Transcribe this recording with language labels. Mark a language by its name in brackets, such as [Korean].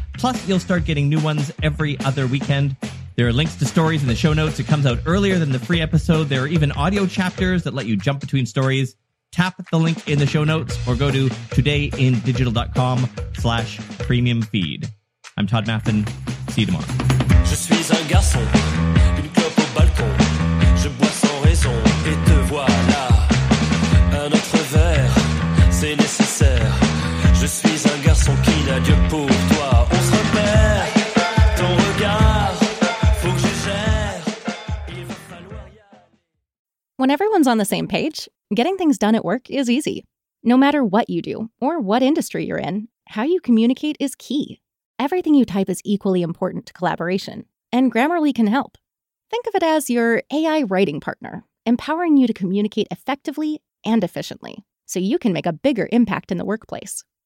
[English] Plus, you'll start getting new ones every other weekend. There are links to stories in the show notes. It comes out earlier than the free episode. There are even audio chapters that let you jump between stories. Tap the link in the show notes or go to todayindigital.com/premium feed. I'm Todd Maffin. See you tomorrow. [French] Je suis un garçon, une clope au balcon. Je bois sans raison et te voilà. Un autre verre, c'est nécessaire. Je suis un garçon qui n'a Dieu pour toi. On se repère, ton regard, faut que je gère. Il va falloir y aller. [English] When everyone's on the same page, getting things done at work is easy. No matter what you do or what industry you're in, how you communicate is key. Everything you type is equally important to collaboration, and Grammarly can help. Think of it as your AI writing partner, empowering you to communicate effectively and efficiently so you can make a bigger impact in the workplace.